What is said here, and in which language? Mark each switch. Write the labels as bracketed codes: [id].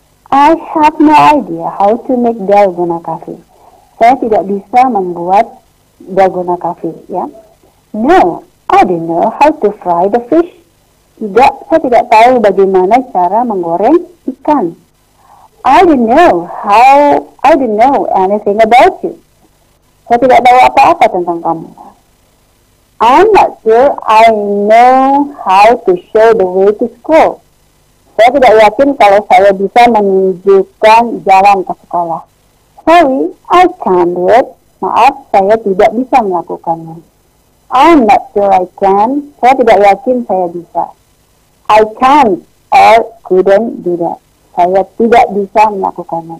[en] I have no idea how to make dalgona coffee. [id] Saya tidak bisa membuat dalgona coffee, ya. [en] No, I don't know how to fry the fish. [id] Tidak, saya tidak tahu bagaimana cara menggoreng ikan. [en] I don't know anything about you. [id] Saya tidak tahu apa-apa tentang kamu. [en] I'm not sure I know how to show the way to school. [id] Saya tidak yakin kalau saya bisa menunjukkan jalan ke sekolah. [en] Sorry, I can't do it. [id] Maaf, saya tidak bisa melakukannya. [en] I'm not sure I can. [id] Saya tidak yakin saya bisa. [en] I can't or couldn't do that. [id] Saya tidak bisa melakukannya.